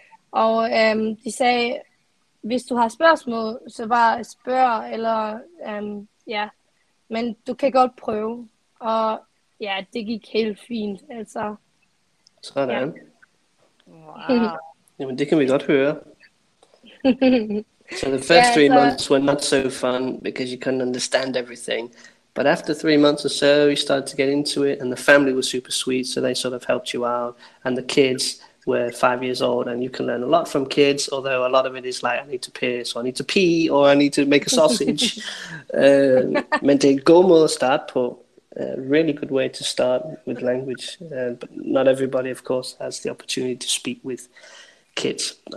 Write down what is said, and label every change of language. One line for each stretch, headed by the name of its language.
Danish: Og de sagde, hvis du har spørgsmål, så bare spørg, eller ja, men du kan godt prøve. Og ja, det gik helt fint, altså. Sådan. Ja. Wow. Jamen, det kan vi godt høre.
English: So the first 3 months were not so fun because you couldn't understand everything. But after 3 months or so, you started to get into it, and the family was super sweet, so they sort of helped you out. And the kids were 5 years old, and you can learn a lot from kids, although a lot of it is like, I need to piss, or I need to pee, or I need to make a sausage.
Danish: men det er god måde at starte på.
English: Really good way to start with language. But not everybody, of course, has the opportunity to speak with kids.